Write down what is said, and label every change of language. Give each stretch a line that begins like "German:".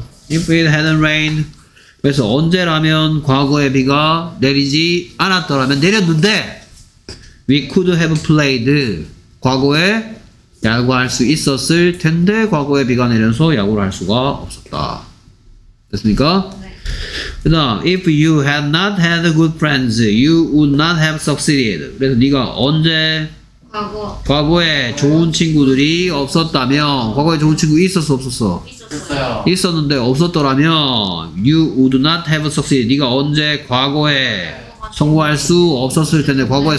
English: If it hadn't rained,
Korean: 그래서 언제라면 과거에 비가 내리지 않았더라면 내렸는데
English: We could have played.
Korean: 과거에 야구할 수 있었을 텐데 과거에 비가 내려서 야구를 할 수가 없었다. 됐습니까? 네. 그 다음
English: If you had not had good friends, you would not have succeeded.
Korean: 그래서 네가 언제 과거에 좋은 친구들이 없었다면 과거에 좋은 친구 있었어 없었어? 있었어요. 있었는데 없었더라면
English: You would not have succeeded.
Korean: 네가 언제 과거에 성공할 수 없었을 텐데 과거에 네.